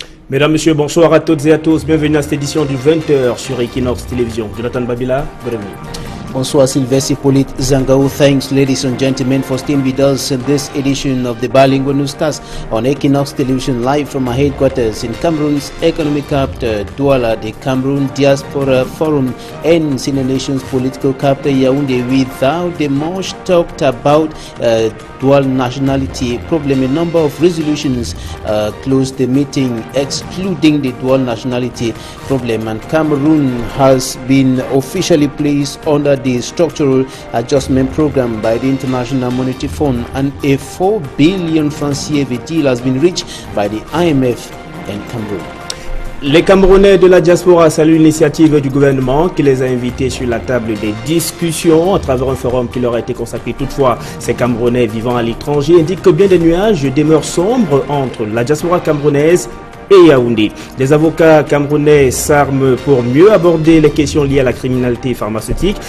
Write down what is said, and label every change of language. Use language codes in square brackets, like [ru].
[fr] Mesdames, Messieurs, bonsoir à toutes et à tous. Bienvenue à cette édition du 20h sur Equinox Télévision. Jonathan Babila, bienvenue. Bonsoir Sylvestre Hippolyte Zangaou. [en] Thanks ladies and gentlemen for staying with us in this edition of the Bilingual Newscast on Equinox Television live from our headquarters in Cameroon's economic capital, Douala, the Cameroon Diaspora Forum and Senior Nations political capital Yaoundé. Without the much talked about dual nationality problem, a number of resolutions closed the meeting excluding the dual nationality problem, and Cameroon has been officially placed under the structural adjustment program by the International Monetary Fund, and a 4 billion francs deal has been reached by the IMF and Cameroon. [fr] Les Camerounais de la diaspora saluent l'initiative du gouvernement qui les a invités sur la table des discussions à travers un forum qui leur a été consacré. Toutefois, ces Camerounais vivant à l'étranger indiquent que bien des nuages demeurent sombres entre la diaspora camerounaise et Yaoundé. Les avocats camerounais s'arment pour mieux aborder les questions liées à la criminalité pharmaceutique.